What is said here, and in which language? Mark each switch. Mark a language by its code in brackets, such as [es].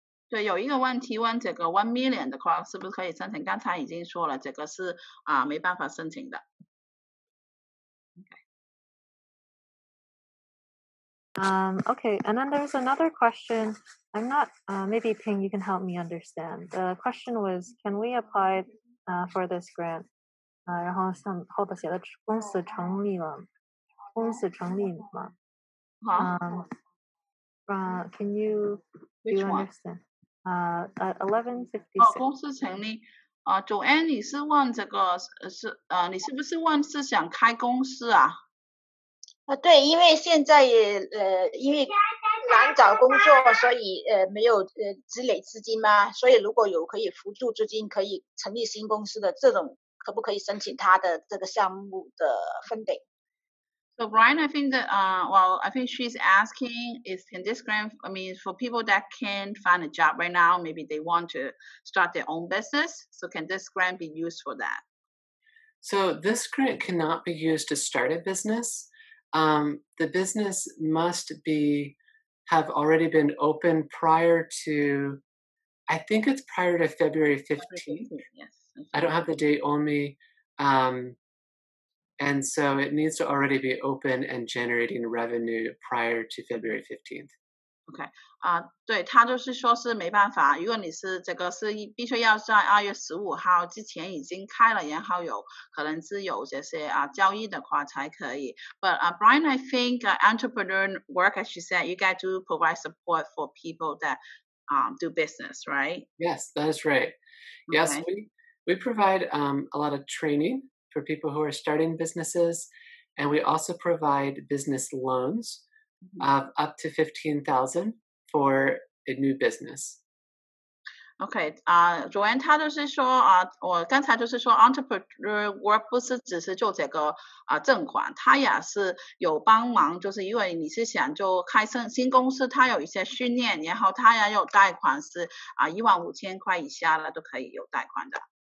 [zh] 对，有一个问题问这个 [en] one million [zh] 的话，是不是可以申请？刚才已经说了，这个是没办法申请的。 [en] Okay, and then there's another question. I'm not maybe Ping, you can help me understand. The question was, can we apply for this grant? [zh] 然后上后头写的公司成立了，公司成立了吗？好。 [en] Can you do you understand? [zh] 1156. 公司成立。 Joanne, 你是问这个是你是不是问是想开公司啊？对，因为现在因为难找工作，所以没有积累资金嘛，所以如果有可以辅助资金可以成立新公司的这种，可不可以申请他的这个项目的funding？ [en] So Brian, I think that, I think she's asking is can this grant, I mean, for people that can't find a job right now, maybe they want to start their own business. So can this grant be used for that? So this grant cannot be used to start a business. The business must have already been open prior to, I think it's prior to February 15th. Yes. I don't have the date on me. And so it needs to already be open and generating revenue prior to February 15th. Okay. [zh] 对，他就是说是没办法，如果你是这个是必须要在2月15号之前已经开了，然后有可能是有这些交易的话才可以。 [en] But Brian, I think entrepreneur work, as you said, you got to provide support for people that do business, right? Yes, that is right. Yes, okay. We provide a lot of training for people who are starting businesses. And we also provide business loans of up to $15,000 for a new business. [zh] Okay, Joanne, 她就是说，我刚才就是说 entrepreneur work 不是只是做这个赠款，她也是有帮忙，就是因为你是想就开新公司，她有一些训练，然后她也有贷款是15,000块以下的都可以有贷款的。